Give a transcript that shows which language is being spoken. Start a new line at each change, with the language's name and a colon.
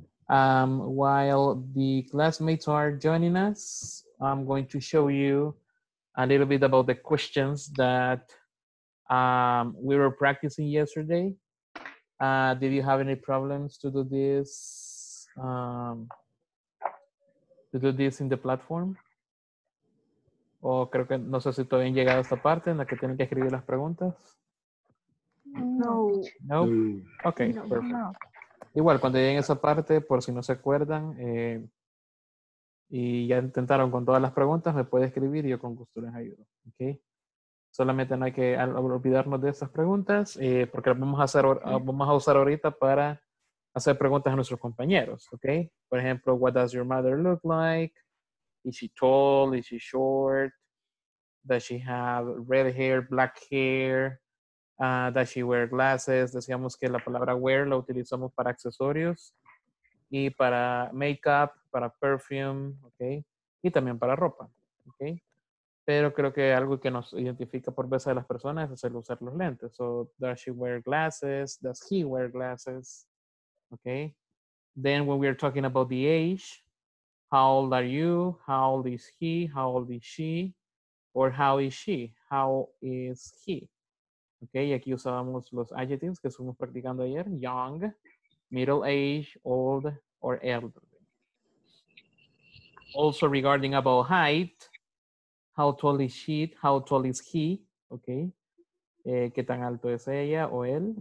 English: While the classmates are joining us, I'm going to show you a little bit about the questions that we were practicing yesterday. Did you have any problems to do this? To do this in the platform?
Spanish: O creo que no sé si todavía han llegado a esta parte en la que tienen que escribir las preguntas. No.
English: Okay, no, perfect. No.
Spanish: Igual, cuando lleguen a esa parte, por si no se acuerdan, y ya intentaron con todas las preguntas, me puede escribir y yo con gusto les ayudo. Okay. Solamente no hay que olvidarnos de esas preguntas, porque las vamos a hacer, vamos a usar ahorita para hacer preguntas a nuestros compañeros.
English: Okay.
Spanish: Por ejemplo,
English: what does your mother look like? Is she tall? Is she short? Does she have red hair, black hair? Does she wear glasses?
Spanish: Decíamos que la palabra wear la utilizamos para accesorios y para makeup, para perfume, okay? Y también para ropa, okay? Pero creo que algo que nos identifica por veces de las personas es el usar los lentes.
English: So, does she wear glasses? Does he wear glasses? Okay? Then when we are talking about the age, how old are you? How old is he? How old is she? Or how is she? How is he?
Spanish: Okay, aquí usábamos los adjectives que estuvimos practicando ayer.
English: Young, middle age, old, or elderly. Also regarding about height, how tall is she? How tall is he?
Spanish: Okay, ¿qué tan alto es ella o él?